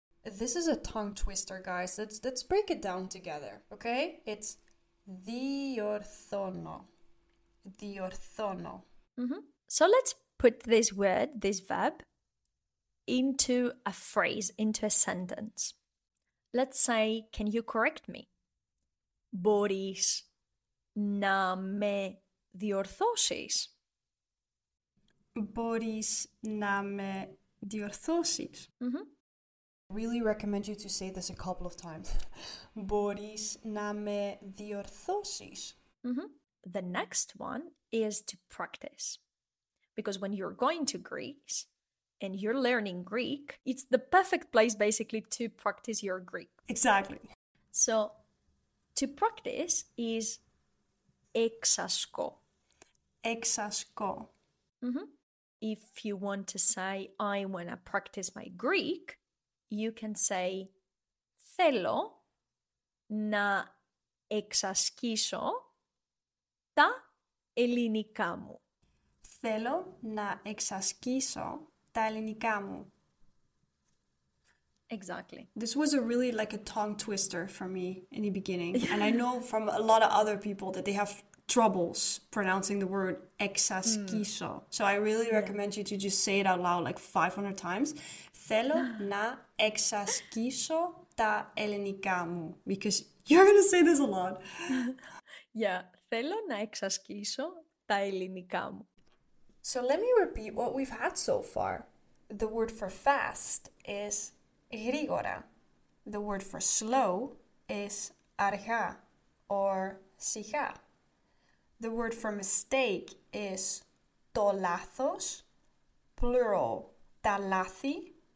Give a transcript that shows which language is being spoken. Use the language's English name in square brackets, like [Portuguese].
[English] This is a tongue twister, guys. Let's break it down together, okay? It's diorthono. Diorthono. Mm-hmm. So let's put this word, this verb, into a phrase, into a sentence. Let's say, can you correct me? [Greek] Μπορείς να με διορθώσεις? Μπορείς να με διορθώσεις? Mm-hmm. [English] I really recommend you to say this a couple of times. [Greek] Μπορείς να με διορθώσεις? [English] Mm-hmm. The next one is to practice. Because when you're going to Greece and you're learning Greek, it's the perfect place basically to practice your Greek. Exactly. So, to practice is εξασκώ. [Greek] Εξασκώ. [English] Mm-hmm. If you want to say, I want to practice my Greek, you can say [Greek] θέλω να εξασκήσω τα ελληνικά μου. Θέλω να εξασκήσω τα ελληνικά μου. [English] Exactly. This was a really like a tongue twister for me in the beginning. And I know from a lot of other people that they have troubles pronouncing the word εξασκήσω. Mm. So I really recommend you to just say it out loud like 500 times. [Greek] Θέλω να εξασκήσω τα ελληνικά μου. [English] Because you're going to say this a lot. Yeah. [Greek] Θέλω να εξασκήσω τα ελληνικά μου. [English] So let me repeat what we've had so far. The word for fast is γρήγορα. The word for slow is αργά or σιγά. The word for mistake is το λάθος, plural, τα λάθη.